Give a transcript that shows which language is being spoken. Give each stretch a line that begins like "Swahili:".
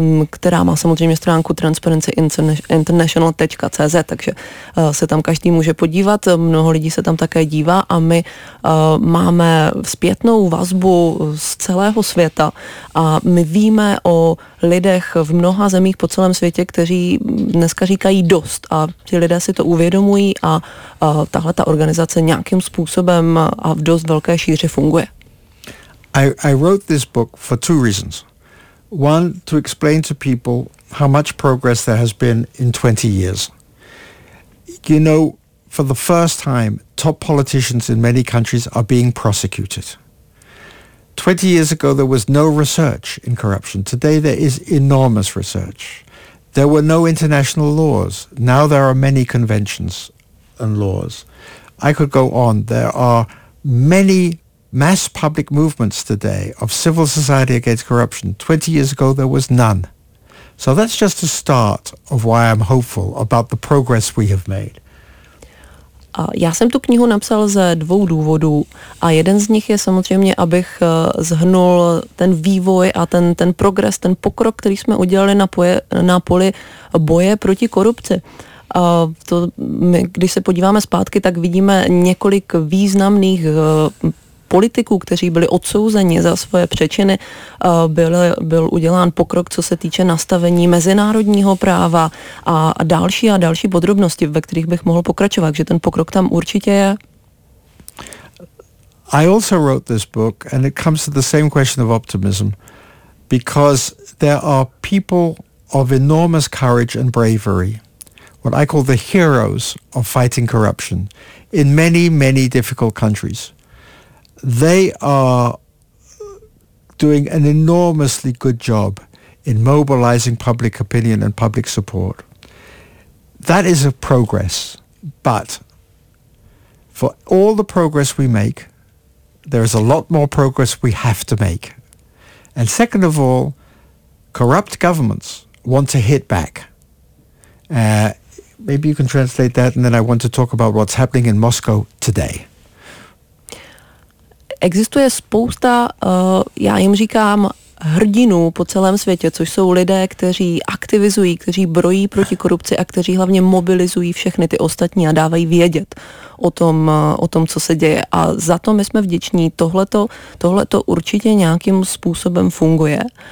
Czech: která má samozřejmě stránku transparencyinternational.cz, takže se tam každý může podívat, mnoho lidí se tam také dívá a my máme zpětnou vazbu z celého světa a my víme o lidech v mnoha zemích po celém světě, kteří dneska říkají dost a ti lidé si to uvědomují a tahle ta organizace nějakým způsobem a v dost velké šíři funguje.
English: I wrote this book for two reasons. One, to explain to people how much progress there has been in 20 years. You know, for the first time, top politicians in many countries are being prosecuted. 20 years ago, there was no research in corruption. Today, there is enormous research. There were no international laws. Now there are many conventions and laws. I could go on. There are many mass public movements today of civil society against corruption. 20 years ago, there was none. So that's just a start of why I'm hopeful about the progress we have made.
Czech: A já jsem tu knihu napsal ze dvou důvodů a jeden z nich je samozřejmě, abych zhrnul ten vývoj a ten progres, ten pokrok, který jsme udělali na poli boje proti korupci. A to my, když se podíváme zpátky, tak vidíme několik významných politiků, kteří byli odsouzeni za svoje přečiny, byl udělán pokrok, co se týče nastavení mezinárodního práva a další podrobnosti, ve kterých bych mohl pokračovat, že ten pokrok tam určitě je.
English: I also wrote this book and it comes to the same question of optimism because there are people of enormous courage and bravery, what I call the heroes of fighting corruption in many, many difficult countries. They are doing an enormously good job in mobilizing public opinion and public support. That is a progress, but for all the progress we make, there is a lot more progress we have to make. And second of all, corrupt governments want to hit back. Maybe you can translate that, and then I want to talk about what's happening in Moscow today.
Czech: Existuje spousta, já jim říkám, hrdinů po celém světě, což jsou lidé, kteří aktivizují, kteří brojí proti korupci a kteří hlavně mobilizují všechny ty ostatní a dávají vědět o tom, co se děje. A za to my jsme vděční. Tohleto určitě nějakým způsobem funguje.